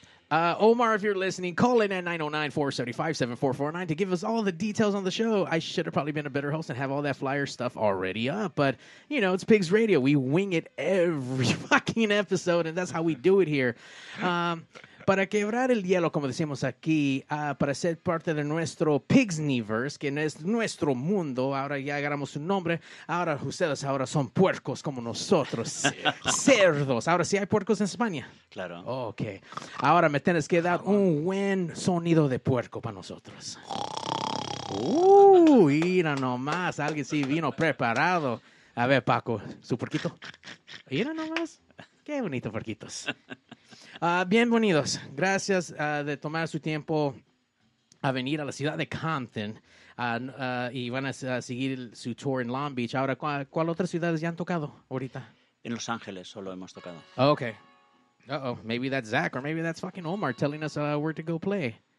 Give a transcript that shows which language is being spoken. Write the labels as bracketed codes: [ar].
[en] Omar, if you're listening, call in at 909-475-7449 to give us all the details on the show. I should have probably been a better host and have all that flyer stuff already up. But, you know, it's Pigs Radio. We wing it every fucking episode, and that's how we do it here. [es] Para quebrar el hielo, como decimos aquí, para ser parte de nuestro Pigsniverse, que es nuestro mundo, ahora ya agarramos su nombre, ahora ustedes ahora son puercos como nosotros, cerdos. Ahora sí hay puercos en España. Claro. Ok. Ahora me tienes que dar un buen sonido de puerco para nosotros. Mira nomás, alguien sí vino preparado. A ver, Paco, su puerquito. Mira nomás, qué bonito puerquitos. Bienvenidos. Gracias de tomar su tiempo a venir a la ciudad de Compton y van a seguir su tour en Long Beach. Ahora, ¿cuál otras ciudades ya han tocado ahorita? En Los Ángeles solo hemos tocado. Okay. Uh-oh. [en] Maybe that's Zach or maybe that's fucking Omar telling us where to go play.